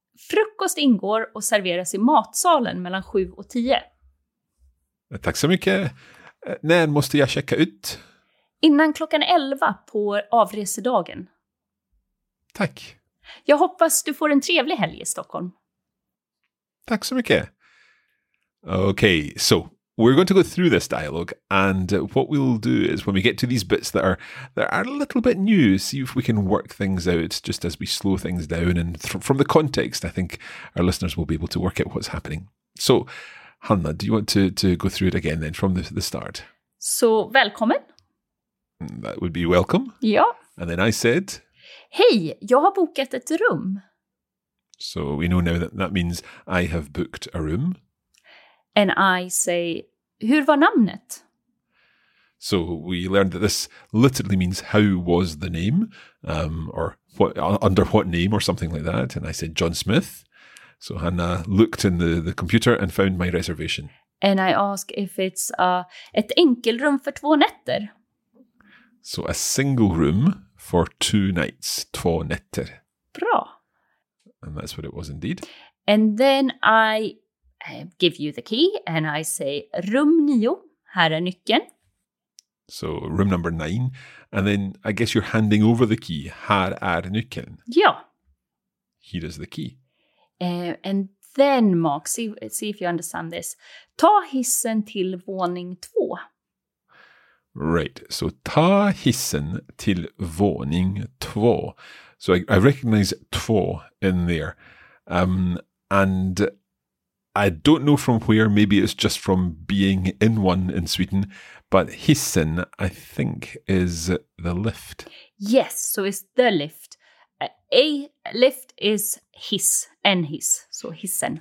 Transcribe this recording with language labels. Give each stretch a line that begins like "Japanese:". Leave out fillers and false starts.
Swedish: Frukost ingår och serveras i matsalen mellan 7 och 10. Tack så mycket. När måste jag checka ut? Innan klockan 11 på avresedagen. Tack. Jag hoppas du får en trevlig helg i Stockholm. Tack så mycket.
English: Okay, so we're going to go through this dialogue and what we'll do is when we get to these bits that are a little bit new, see if we can work things out just as we slow things down. And from the context, I think our listeners will be able to work out what's happening. So, Hanna, do you want to go through it again then from the start?
Swedish: Så, välkommen.
English: That would be welcome.
Swedish: Ja.
English: And then I said...
Swedish: Hej, jag har bokat ett rum.
English: So we know now that means I have booked a room. And I say,
Swedish: hur var namnet?
English: So we learned that this literally means how was the name? Or what under what name or something like that. And I said, John Smith. So Hannah looked in the computer and found my reservation. And I ask if it's
Swedish: ett enkelrum för två nätter.
English: So a single room. For two nights,
Swedish: två nätter. Bra.
English: And that's what it was indeed. And then I give you the key and I say,
Swedish: rum 9, här är nyckeln.
English: So room number 9. And then I guess you're handing over the key,
Swedish: här är nyckeln. Ja.
English: Here is the key. And then Mark, see if you understand this.
Swedish: Ta hissen till våning 2.
English: Right.
Swedish: So ta hissen till våning två.
English: So I recognize två in there. And I don't know from where, maybe it's just from being in one in Sweden, but hissen, I think, is the lift. Yes, so it's the lift. A lift is hiss, en hiss, so hissen.